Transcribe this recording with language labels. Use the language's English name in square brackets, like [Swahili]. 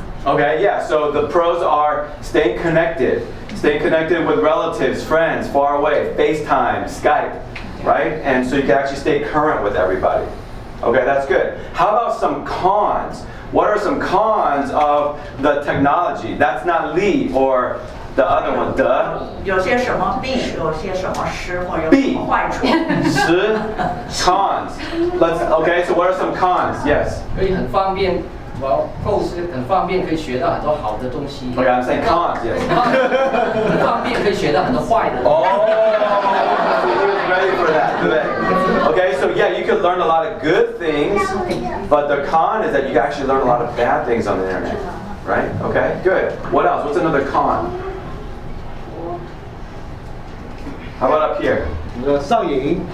[English] OK yeah so the pros are stay connected with relatives friends far away FaceTime Skype right and so you can actually stay current with everybody OK that's good how about some consWhat are some cons of the technology? That's not Li or the other one, the. [Chinese] 有些什么弊，有些什么失，或有什么坏处。失 [English] cons. Let's okay. So what are some cons? Yes. [Chinese] 可以很方便，然后 post 很方便，可以学到很多好的东西。 [English] Okay, I'm saying cons. Yes. [Chinese] 很方便可以学到很多坏的。 [English] Oh. Ready for that, [Chinese] 对不对？ [English] Okay, so yeah, you can learn a lot of good things, but the con is that you actually learn a lot of bad things on the internet, right? Okay, good. What else? What's another con? How about up here? [Chinese] 上瘾。